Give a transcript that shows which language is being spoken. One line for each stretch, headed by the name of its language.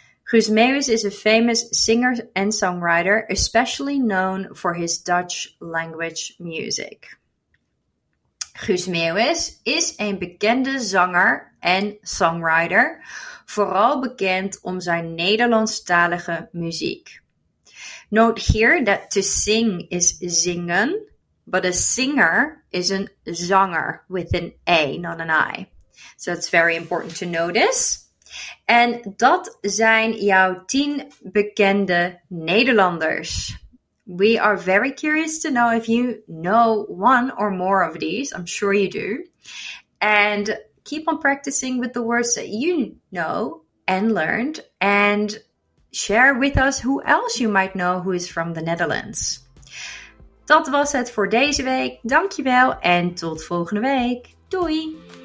English: Guus Meeuwis is a famous singer and songwriter, especially known for his Dutch language music.
Dutch: Guus Meeuwis is een bekende zanger en songwriter, vooral bekend om zijn Nederlandstalige muziek.
English: Note here that to sing is zingen, but a singer is a zanger with an A, not an I. So it's very important to notice.
Dutch: En dat zijn jouw 10 bekende Nederlanders.
English: We are very curious to know if you know one or more of these. I'm sure you do. And keep on practicing with the words that you know and learned. And share with us who else you might know who is from the Netherlands.
Dutch: Dat was het voor deze week. Dankjewel en tot volgende week. Doei!